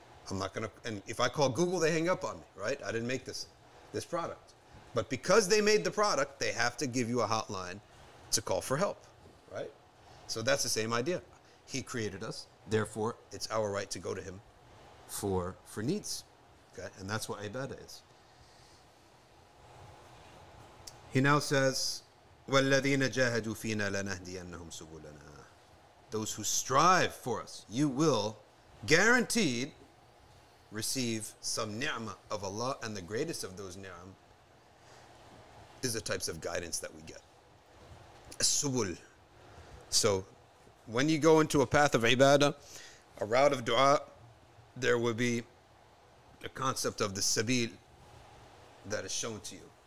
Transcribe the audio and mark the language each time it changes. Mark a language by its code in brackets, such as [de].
[en] I'm not going to, and if I call Google, they hang up on me, right? I didn't make this product. But because they made the product, they have to give you a hotline to call for help, right? So that's the same idea. He created us, therefore it's our right to go to him for needs. Okay, and that's what ibadah is. He now says, [ar] وَالَّذِينَ جَاهَدُوا فِينَا لَنَهْدِيَنَّهُمْ سُبُولَنَا. [en] Those who strive for us, you will guaranteed receive some ni'mah of Allah, and the greatest of those ni'mah is the types of guidance that we get. Subul. So, when you go into a path of ibadah, a route of dua, there will be a concept of the sabil that is shown to you.